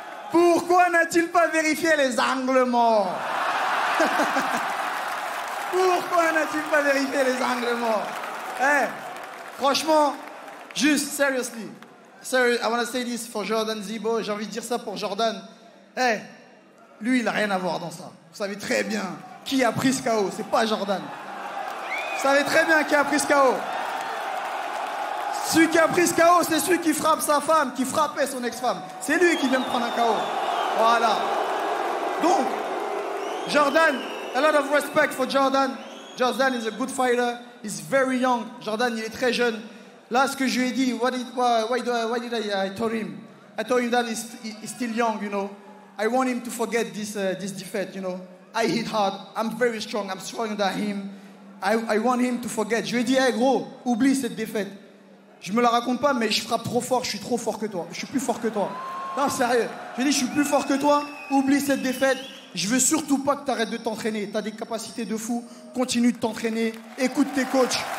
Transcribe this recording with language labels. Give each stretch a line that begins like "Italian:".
French: Pourquoi n'a-t-il pas vérifié les angles morts? Pourquoi n'a-t-il pas vérifié les angles morts? Hey, franchement, juste,
English: seriously. Sorry, I want to say this for Jordan Zeebo.
French: J'ai envie de dire ça pour Jordan. Hey, lui, il n'a rien à voir dans ça. Vous savez très bien qui a pris ce KO. C'est pas Jordan. Vous savez très bien qui a pris ce KO. Celui qui a pris ce KO, c'est celui qui frappe sa femme, qui frappait son ex-femme. C'est lui qui vient de prendre un KO. Voilà. Donc,
English: Jordan, a lot of respect for Jordan. Jordan is a good fighter. He's very young.
French: Jordan, il est très jeune. Là, ce que je lui ai dit,
English: why did I tell him? I told him that he's still young, you know. I want him to forget this defeat, you know. I hit hard. I'm very strong. I'm stronger than him. I want him to forget.
French: Je lui ai dit, hey, gros, oublie cette défaite. Je me la raconte pas, mais je frappe trop fort. Je suis trop fort que toi. Je suis plus fort que toi. Non, sérieux. Je lui ai dit, je suis plus fort que toi. Oublie cette défaite. Je veux surtout pas que tu arrêtes de t'entraîner. Tu as des capacités de fou. Continue de t'entraîner. Écoute tes coachs.